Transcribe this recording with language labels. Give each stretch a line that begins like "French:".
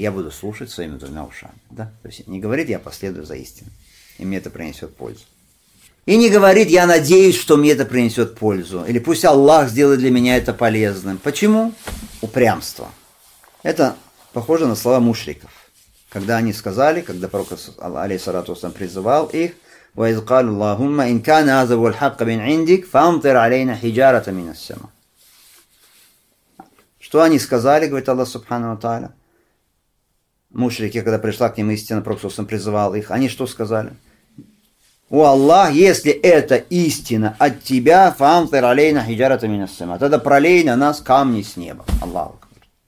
Russian: Я буду слушать своими двумя ушами. Да? То есть не говорит, я последую за истиной. И мне это принесет пользу. И не говорит, я надеюсь, что мне это принесет пользу. Или пусть Аллах сделает для меня это полезным. Почему? Упрямство. Это похоже на слова мушриков. Когда они сказали, когда пророк алейхиссалату вассалям призывал их,
Arabic: وَإِذْقَالُ اللَّهُمَّ إِنْ كَانَ هَذَا وَالْحَقَّ مِنْ عِنْدِكَ فَأَمْطِرْ عَلَيْنَا حِجَارَةً مِنَ السَّمَاءِ.
Russian: Что они сказали, говорит Аллах Субхану ва Тааля? Мушрики, когда пришла к ним истина, пророк сам призывал их, они что сказали? «О Аллах, если это истина от тебя, фамтер алейна хиджарата мина сама, тогда пролей на нас камни с неба». Аллах говорит.